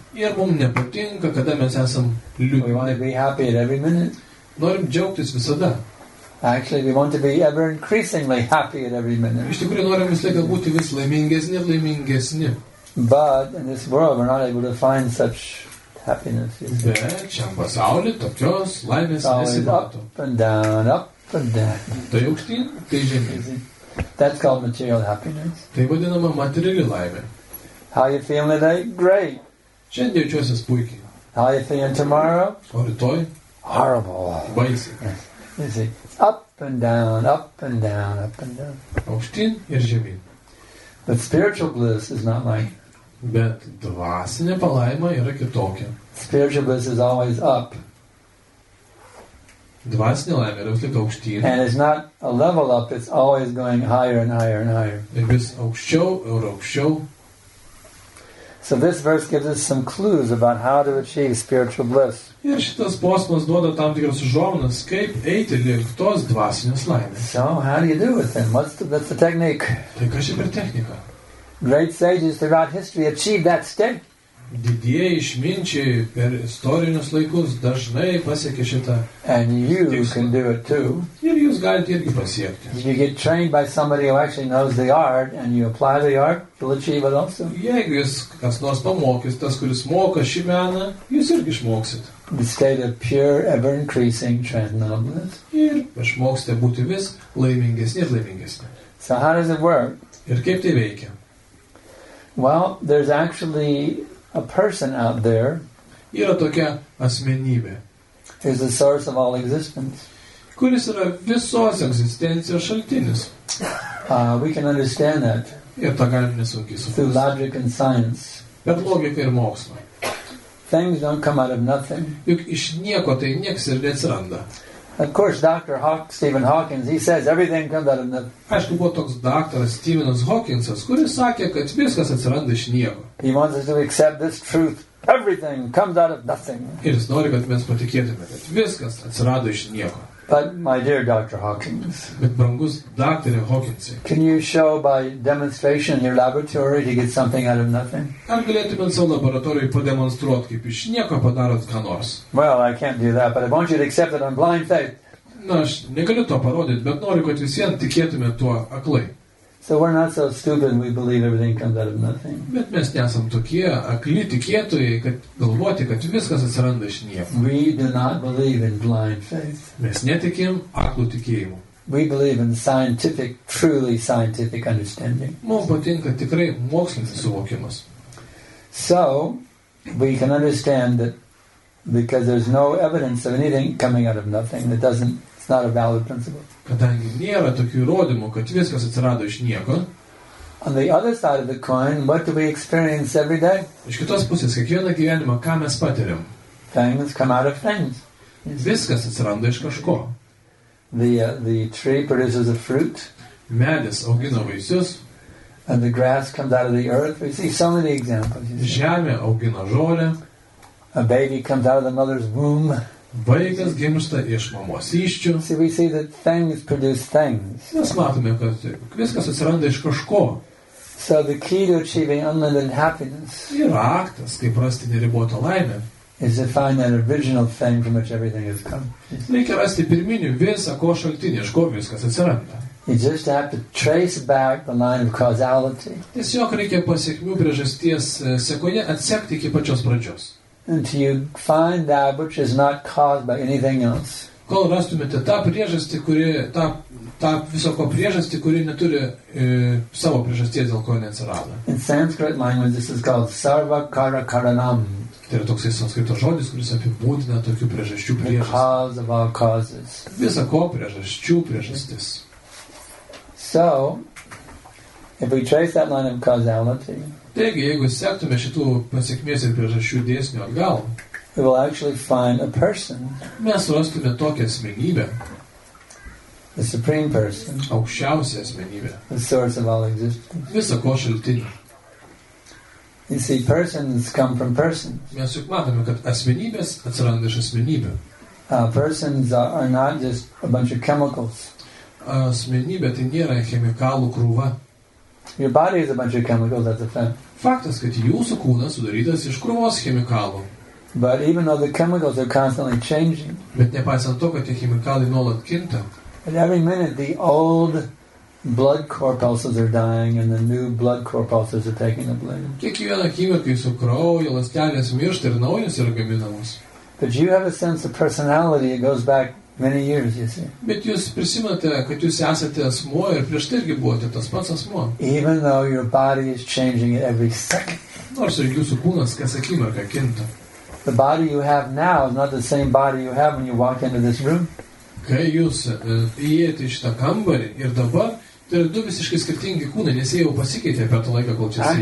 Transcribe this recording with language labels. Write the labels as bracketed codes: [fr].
[lt] Ir mums nepatinka, kada mes esam liūdni. [en] We want to be happy at every minute. [lt] Norim džiaugtis visada. [en] Actually, we want to be ever increasingly happy at every minute. [lt] Iš tikrųjų norim visą laiką būti vis laimingesni ir laimingesni. [en] But in this world, we're not able to find such happiness. [lt] Bet šiam pasaulyje tokios laimės nesimato. [en] Up and down, up and down. [lt] Tai aukštyn, tai žemyn. [en] That's called material happiness. [lt] Tai vadinama materiali laimė. [en] How you feeling today? Great. [lt] Šiandien jaučiuosi puikiai. [en] How you feeling tomorrow? [lt] O rytoj? [en] Horrible. [lt] Baisiai. [en] You see, up and down, up and down, up and down. [lt] Aukštyn ir žemyn. [en] But spiritual bliss is not like. [lt] Bet dvasinė palaima yra kitokia. [en] Spiritual bliss is always up. [lt] Dvasinė laima yra visai aukštyn. [en] And it's not a level up, it's always going higher and higher and higher. [lt] Ir vis aukščiau ir aukščiau. [en] So this verse gives us some clues about how to achieve spiritual bliss. [lt] Ir šitas posmas duoda tam tikras užuominas, kaip eiti link tos dvasinės laimės. [en] So how do you do it then? What's the technique? [lt] Tai kas čia per technika? [en] Great sages throughout history achieved that state. [lt] Didieji išminčiai per istorinius laikus dažnai pasiekė šitą. [en] And you can do it too. [lt] Ir jūs galite irgi pasiekti. [en] If you get trained by somebody who actually knows the art and you apply the art, you'll achieve it also. [lt] Jeigu jūs kas nors pamokys, tas, kuris moka šį meną, jūs irgi išmoksit. [en] The state of pure, ever-increasing transcendental bliss. [lt] Ir išmoksite būti vis laimingesni ir laimingesni. [en] So how does it work? [lt] Ir kaip tai veikia? [en] Well, there's actually a person out there. [lt] Yra tokia asmenybė. [en] Is the source of all existence. [lt] Kuris yra visos egzistencijos šaltinis. [en] We can understand that. [lt] Ir tą galim nesunkiai suprasti. [en] Through logic and science. [lt] Per logiką ir mokslą. [en] Things don't come out of nothing. [lt] Juk iš nieko tai nieks ir neatsiranda. [en] Of course, Dr. Stephen Hawking, he says everything comes out of nothing. [lt] Aišku, buvo toks daktaras Stephenas Hawkinsas, kuris sakė, kad viskas atsiranda iš nieko. [en] He wants us to accept this truth. Everything comes out of nothing. [lt] Ir jis nori, kad mes patikėtume, kad viskas atsirado iš nieko. [en] But, my dear Dr. Hawkins, [lt] bet brangus daktare Hawkinsai, [en] can you show by demonstration in your laboratory to get something out of nothing? [lt] Ar galėtume savo laboratorijoje pademonstruoti, kaip iš nieko padarot ką nors? [en] Well, I can't do that, but I want you to accept it on blind faith. [lt] Na, aš negaliu to parodyti, bet noriu, kad visiems tikėtume tuo aklai. [en] So we're not so stupid we believe everything comes out of nothing. [lt] Bet mes nesam tokie akli tikėtojai, kad galvoti, kad viskas atsiranda iš nieko. [en] We do not believe in blind faith. [lt] Mes netikim aklų tikėjimu. [en] We believe in scientific, truly scientific understanding. [lt] Mums patinka tikrai mokslinis suvokimas. [en] So, we can understand that because there's no evidence of anything coming out of nothing, that doesn't, it's not a valid principle. [lt] Kadangi nėra tokių įrodymų, kad viskas atsirado iš nieko. [en] On the other side of the coin, what do we experience every day? [lt] Iš kitos pusės, kiekvieną gyvenimą, ką mes patiriam? [en] Things come out of things. [lt] Viskas atsiranda iš kažko. [en] The tree produces a fruit. [lt] Medis augina vaisius. [en] And the grass comes out of the earth. We see so many examples. [lt] Žemė augina žolę. [en] A baby comes out of the mother's womb. [lt] Vaikas gimsta iš mamos įsčių. [en] See, we see that things produce things. [lt] Mes matome, kad viskas atsiranda iš kažko. [en] So the key to achieving unlimited happiness. [lt] Ir raktas, kaip rasti neribotą laimę. [en] Is to find that original thing from which everything has come. [lt] Reikia rasti pirminį visą ko šaltinį, iš ko viskas atsiranda. [en] You just have to trace back the line of causality. [lt] Tiesiog reikia pasiekmių priežasties sekoje atsekti iki pačios pradžios. [en] Until you find that which is not caused by anything else. [lt] Kol rastumėte tą priežastį, kuri, tą visoko priežastį, kuri neturi savo priežasties, dėl ko neatsirado. [en] In Sanskrit language this is called sarva kara karanam. [lt] Tai yra toksai sanskrito žodis, kuris apibūdina tokių priežasčių priežastis. Visako priežasčių priežastis. [en] So, if we trace that line of causality, [lt] taigi, jeigu sektume šitų pasiekmės ir priežasčių dėsnių atgal, [en] we will actually find a person, [lt] mes rastume tokią asmenybę, [en] the supreme person, [lt] aukščiausią asmenybę, [en] the source of all existence, [lt] visako šaltinį. [en] You see, persons come from persons. [lt] Mes juk matome, kad asmenybės atsiranda iš asmenybių. [en] Persons are not just a bunch of chemicals. [lt] Asmenybė tai nėra chemikalų krūva. [en] Your body is a bunch of chemicals, that's a fact. [lt] Faktas, kad jūsų kūnas sudarytas iš krūvos chemikalų. [en] But even though the chemicals are constantly changing. [lt] Bet nepaisant to, kad tie chemikalai nuolat kinta. [en] At every minute, the old blood corpuscles are dying and the new blood corpuscles are taking the blame. [lt] Kiekvieną akimirką jūsų kraujo ląstelės miršta ir naujos yra gaminamos. [en] But you have a sense of personality that goes back many years, you see. [lt] Bet jūs prisimate, kad jūs esate asmuo ir prieš tai irgi buvote tas pats asmuo. [en] Even though your body is changing at every second. [lt] Nors ir jūsų kūnas kas akimirką kinta. [en] The body you have now is not the same body you have when you walk into this room. [lt] Kai jūs įėjote į šitą kambarį ir dabar, tai yra du visiškai skirtingi kūnai, nes jie jau pasikeitė per tą laiką, kol čia sėdėjo.